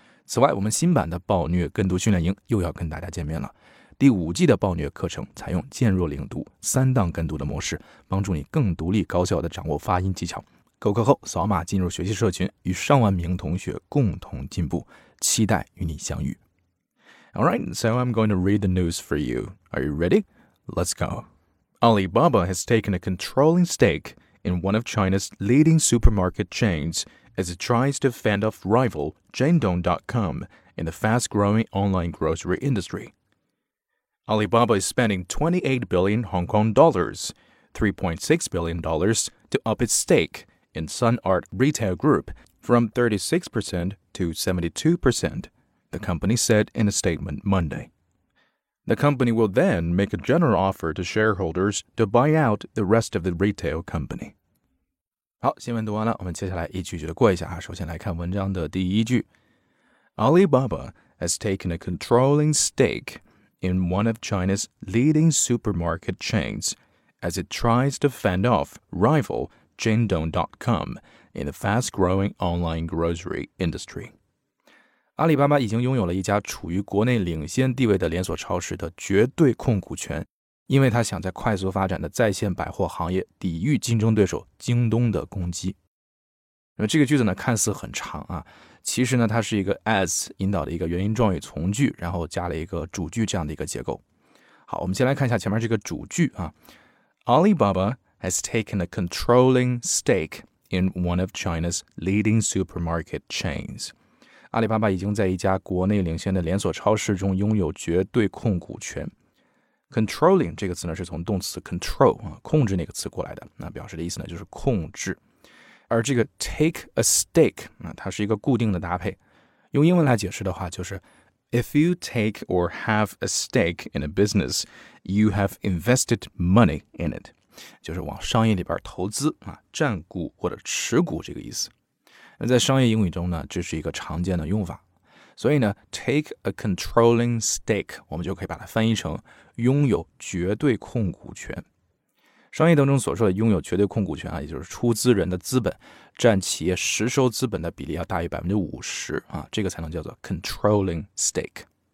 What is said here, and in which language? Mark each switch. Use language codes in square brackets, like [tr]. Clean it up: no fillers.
[zh] 此外，我们新版的暴虐跟读训练营又要跟大家见面了。第五季的暴虐课程采用渐弱领读三档跟读的模式，帮助你更独立高效地掌握发音技巧。购课后扫码进入学习社群，与上万名同学共同进步，期待与你相遇。 [en] All right, so I'm going to read the news for you. Are you ready? Let's go. Alibaba has taken a controlling stake in one of China's leading supermarket chains as it tries to fend off rival Jingdong.com in the fast-growing online grocery industry. Alibaba is spending 28 billion Hong Kong dollars, $3.6 billion, to up its stake in Sun Art Retail Group from 36% to 72%. The company said in a statement Monday. The company will then make a general offer to shareholders to buy out the rest of the retail company. [zh] 好，新闻读完了，我们接下来一句句的过一下啊。首先来看文章的第一句。 [en] Alibaba has taken a controlling stake in one of China's leading supermarket chains as it tries to fend off rival Jingdong.com in the fast-growing online grocery industry. [zh] 阿里巴巴已经拥有了一家处于国内领先地位的连锁超市的绝对控股权，因为他想在快速发展的在线百货行业抵御竞争对手京东的攻击。那么这个句子呢，看似很长啊，其实呢，它是一个 as 引导的一个原因状语从句，然后加了一个主句这样的一个结构。好，我们先来看一下前面这个主句啊。 [en] Alibaba has taken a controlling stake in one of China's leading supermarket chains. [zh] 阿里巴巴已经在一家国内领先的连锁超市中拥有绝对控股权。 Controlling 这个词呢，是从动词 control 控制那个词过来的，那表示的意思呢就是控制。而这个 take a stake 它是一个固定的搭配，用英文来解释的话就是 [en] If you take or have a stake in a business, you have invested money in it. [zh] 就是往商业里边投资啊，占股或者持股这个意思。在商业英语中呢，这是一个常见的用法，所以呢 [en] take a controlling stake [zh] 我们就可以把它翻译成拥有绝对控股权。商业当中所说的拥有绝对控股权啊，也就是出资人的资本占企业实收资本的比例要大于 50% 啊，这个才能叫做 controlling stake。